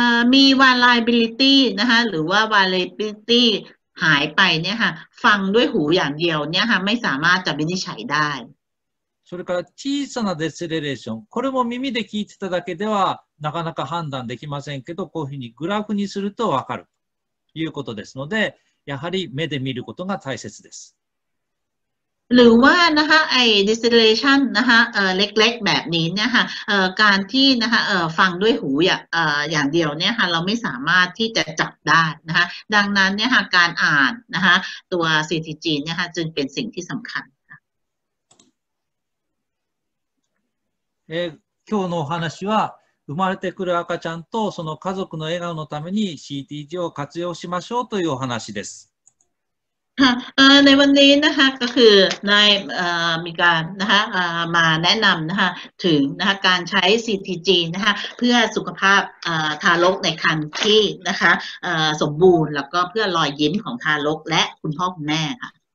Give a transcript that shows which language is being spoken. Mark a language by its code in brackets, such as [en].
[ja] みーわらびりてぃ、なは、るわわらびりてぃ、はいぱいねは、ファンドゥイフーやんぎょうねは、ไม่สามารถ見にしゃいだい。それから小さなデスレレーション、これも耳で聞いてただけでは、なかなか判断できませんけど、こういうふうにグラフにするとわかるということですので、やはり目で見ることが大切です。 [th] หรือว่านะคะไอ้ distillation นะคะเล็กๆแบบนี้เนี่ยค่ะการที่นะคะฟังด้วยหูอย่างเดียวเนี่ยค่ะเราไม่สามารถที่จะจับได้นะคะดังนั้นเนี่ยค่ะการอ่านนะคะตัว CTG เนี่ยค่ะจึงเป็นสิ่งที่สำคัญ [ja] 今日のお話は生まれてくる赤ちゃんとその家族の笑顔のために CTG を活用しましょうというお話です。 [th] ในวันนี้นะคะก็คือในมีการนะคะมาแนะนำนะคะถึงนะคะการใช้ CTG นะคะเพื่อสุขภาพทารกในครรภ์ที่นะคะสมบูรณ์แล้วก็เพื่อรอยยิ้มของทารกและคุณพ่อคุณแม่ค่ะ